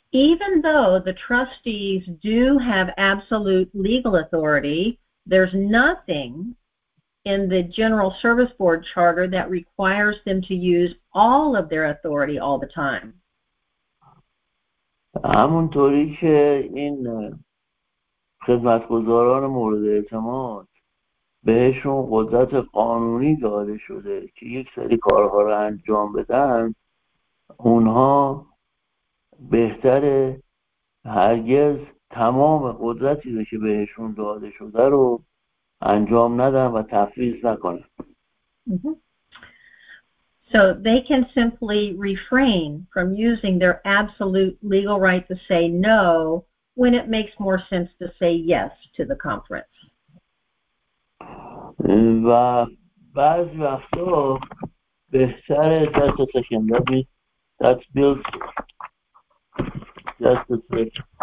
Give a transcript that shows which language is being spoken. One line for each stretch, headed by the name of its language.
English: Even though the trustees do have absolute legal authority, there's nothing in the General Service Board Charter that requires them to use all of their authority all the time.
Persian: همونطوری که این خدمتگزاران مورد اعتماد بهشون قدرت قانونی داده شده که یک سری کارها رو انجام بدن، اونها بهتره هرگز تمام قدرتی رو که بهشون داده شده رو انجام ندن و تفویض نکنن.
English: So they can simply refrain from using their absolute legal right to say no when it makes more sense to say yes to the conference.
Persian: و بعضی وقتا بهتره دست تکن بدی.
English: That builds just a trick.